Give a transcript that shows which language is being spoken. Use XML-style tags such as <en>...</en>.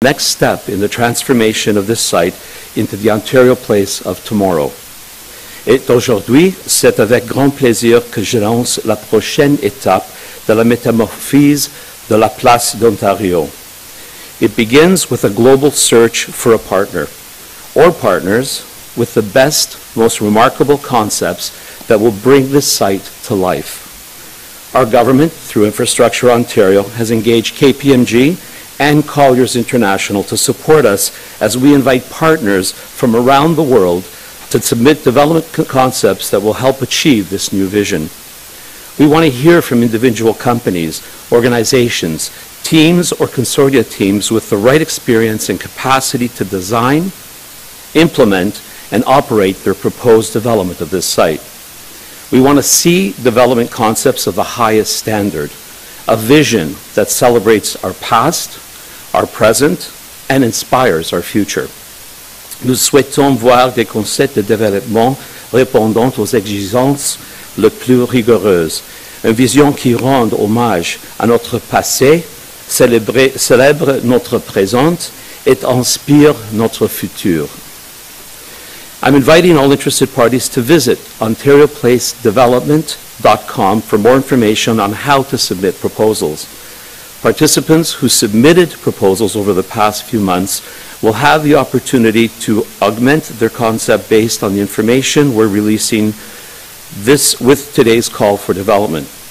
<en>next step in the transformation of this site into the Ontario place of tomorrow.</en> <fr>Et aujourd'hui, c'est avec grand plaisir que je lance la prochaine étape de la métamorphose de la place d'Ontario.</fr> <en>It begins with a global search for a partner, or partners, with the best, most remarkable concepts that will bring this site to life. Our government, through Infrastructure Ontario, has engaged KPMG and Colliers International to support us as we invite partners from around the world to submit development concepts that will help achieve this new vision. We want to hear from individual companies, organizations, teams, or consortia teams with the right experience and capacity to design, implement, and operate their proposed development of this site. We want to see development concepts of the highest standard, a vision that celebrates our past, our present, and inspires our future.</en> <fr>Nous souhaitons voir des concepts de développement répondant aux exigences les plus rigoureuses, une vision qui rende hommage à notre passé, célèbre notre présent, et inspire notre futur.</fr> <en>I'm inviting all interested parties to visit OntarioPlaceDevelopment.com for more information on how to submit proposals. Participants who submitted proposals over the past few months will have the opportunity to augment their concept based on the information we're releasing this with today's call for development.</en>